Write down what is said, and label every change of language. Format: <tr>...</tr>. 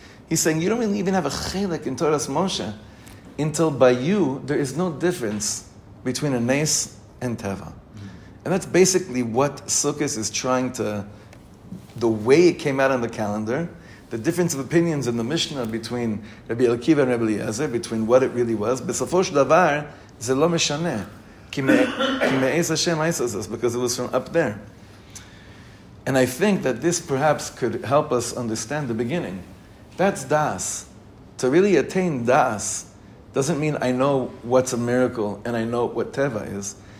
<en>He's saying you don't really even have a chelek in Torah's Moshe until by you there is no difference between a nes and teva. And that's basically what Sukkos is trying to, the way it came out on the calendar, the difference of opinions in the Mishnah between Rabbi Elkiva and Rabbi Eliezer, between what it really was.</en> <he>B'sofo shel davar, זה לא משנה, כי מאיזה שם עשה זאת,</he> <en>because it was from up there. And I think that this perhaps could help us understand the beginning. That's das. To really attain das doesn't mean I know what's a miracle and I know what teva is.</en>